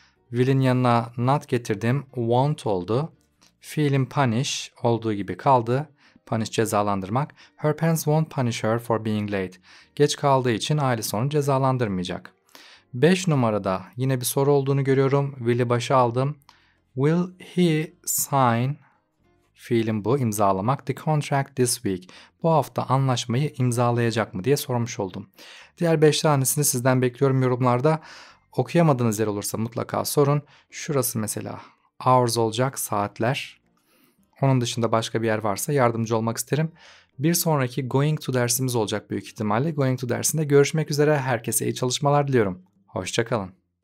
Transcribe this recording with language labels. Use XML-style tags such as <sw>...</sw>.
<tr>Will'in yanına not getirdim, won't oldu. Fiilim punish olduğu gibi kaldı. Punish cezalandırmak.</tr> <en>Her parents won't punish her for being late.</en> <tr>Geç kaldığı için ailesi onu cezalandırmayacak. 5 numarada yine bir soru olduğunu görüyorum. Will'i başa aldım.</tr> <en>Will he sign,</en> <tr>fiilim bu, imzalamak,</tr> <en>the contract this week.</en> <tr>Bu hafta anlaşmayı imzalayacak mı diye sormuş oldum. Diğer 5 tanesini sizden bekliyorum yorumlarda. Okuyamadığınız yer olursa mutlaka sorun. Şurası mesela hours olacak, saatler. Onun dışında başka bir yer varsa yardımcı olmak isterim. Bir sonraki going to dersimiz olacak büyük ihtimalle. Going to dersinde görüşmek üzere. Herkese iyi çalışmalar diliyorum. Hoşça kalın.</tr>